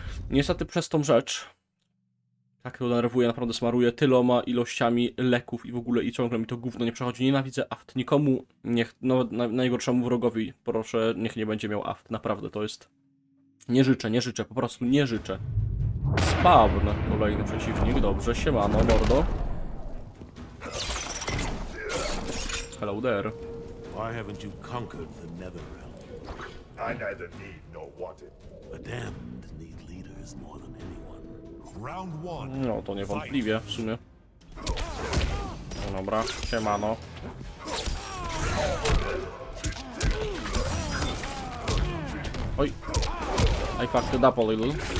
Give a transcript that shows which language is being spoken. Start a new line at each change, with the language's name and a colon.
Polish: Niestety przez tą rzecz, tak to denerwuje, naprawdę smaruje tyloma ilościami leków i w ogóle i ciągle mi to gówno nie przechodzi. Nienawidzę aft, nikomu, niech, nawet najgorszemu wrogowi, proszę, niech nie będzie miał aft, naprawdę to jest... Nie życzę, nie życzę, po prostu nie życzę. Spawn, kolejny przeciwnik, dobrze, siemano, mordo.
English: Hello there. Why haven't you conquered the Netherrealm? I neither need nor want it. The damned need leaders more than anyone. Round one.
Polish: No, to niewątpliwie w sumie. No dobra, siemano.
English: Oj. I fucked it up a little.